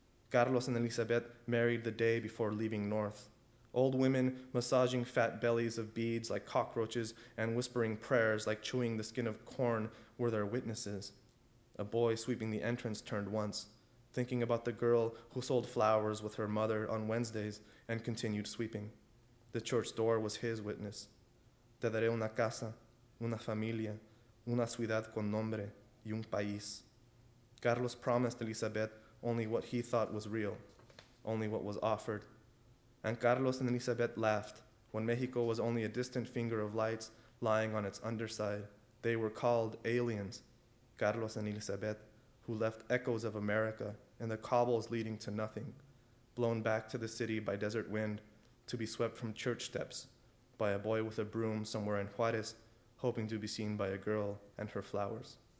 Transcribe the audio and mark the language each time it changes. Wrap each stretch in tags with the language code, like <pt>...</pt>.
<en>Carlos and Elizabeth married the day before leaving north. Old women massaging fat bellies of beads like cockroaches and whispering prayers like chewing the skin of corn were their witnesses. A boy sweeping the entrance turned once, thinking about the girl who sold flowers with her mother on Wednesdays and continued sweeping. The church door was his witness.</en> <es>Te daré una casa, una familia, una ciudad con nombre y un país.</es> <en>Carlos promised Elizabeth only what he thought was real, only what was offered. And Carlos and Elizabeth laughed when Mexico was only a distant finger of lights lying on its underside. They were called aliens, Carlos and Elizabeth, who left echoes of America and the cobbles leading to nothing, blown back to the city by desert wind to be swept from church steps by a boy with a broom somewhere in Juarez, hoping to be seen by a girl and her flowers.</en>